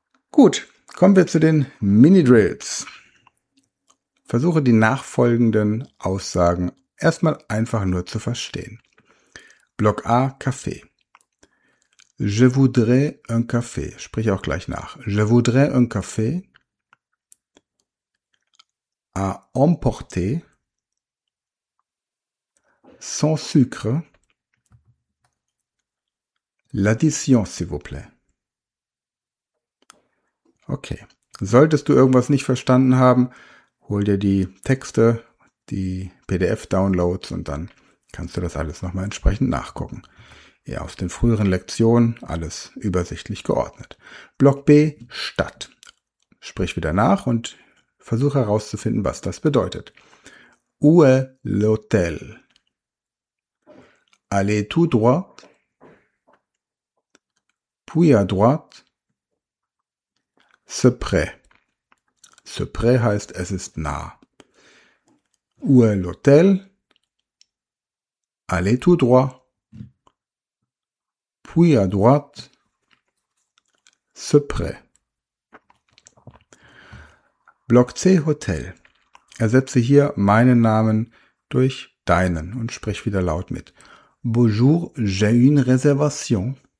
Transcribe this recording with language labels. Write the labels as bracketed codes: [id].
[de] Gut, kommen wir zu den Mini-Drills. Versuche die nachfolgenden Aussagen erstmal einfach nur zu verstehen. Block A, Kaffee. [fr] Je voudrais un café. [de] Sprich auch gleich nach. [fr] Je voudrais un café à emporter sans sucre. L'addition, s'il vous plaît. [de] Okay. Solltest du irgendwas nicht verstanden haben, hol dir die Texte, die PDF-Downloads und dann kannst du das alles nochmal entsprechend nachgucken. Ja, aus den früheren Lektionen alles übersichtlich geordnet. Block B, Stadt. Sprich wieder nach und versuche herauszufinden, was das bedeutet. [fr] Où est l'hôtel? Allez tout droit. Puis à droite. C'est près. C'est près [de] heißt, es ist nah. [fr] Où est l'hôtel? Allez tout droit. Puis à droite, c'est prêt. [de] Block C, Hotel. Ersetze hier meinen Namen durch deinen und sprich wieder laut mit. [fr] Bonjour, j'ai une réservation.